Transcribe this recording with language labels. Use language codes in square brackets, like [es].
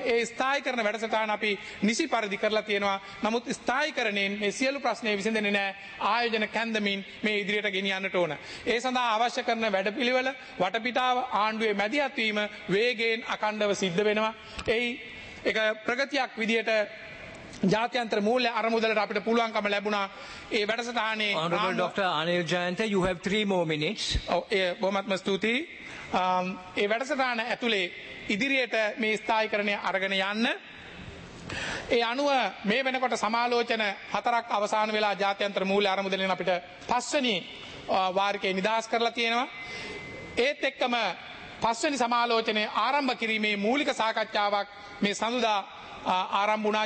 [si] ඒ ස්ථායීකරණ වැඩසටහන අපි නිසි පරිදි කරලා තියෙනවා. නමුත් ස්ථායීකරණයෙන් මේ සියලු ප්‍රශ්නේ විසඳෙන්නේ නැහැ. ආයෝජන කැඳමින් මේ ඉදිරියට ගෙනියන්නට ඕන. ඒ සඳහා අවශ්‍ය කරන වැඩ පිළිවෙල, වටපිටාව, ආණ්ඩුවේ මැදිහත් වීම වේගයෙන් අඛණ්ඩව සිද්ධ වෙනවා. එයි එක ප්‍රගතියක් විදියට ජාත්‍යන්තර මූල්‍ය අරමුදලට අපිට පුළුවන්කම ලැබුණා. ඒ වැඩසටහනේ [en] Ananda doctor Anil Jayantha, you have 3 more minutes. [si] බොහොමත්ම ස්තුතියි. ඒ වැඩසටහන ඇතුලේ ඉදිරියට මේ ස්ථායීකරණය අරගෙන යන්න. ඒ අනුව මේ වෙනකොට සමාලෝචන 4ක් අවසන් වෙලා ජාත්‍යන්තර මූල්‍ය අරමුදලෙන් අපිට 5 වෙනි වාරිකේ නිදහස් කරලා තියෙනවා. ඒත් එක්කම 5 වෙනි සමාලෝචනයේ ආරම්භ කිරීමේ මූලික සාකච්ඡාවක් මේ සඳුදා ආරම්භ වුණා.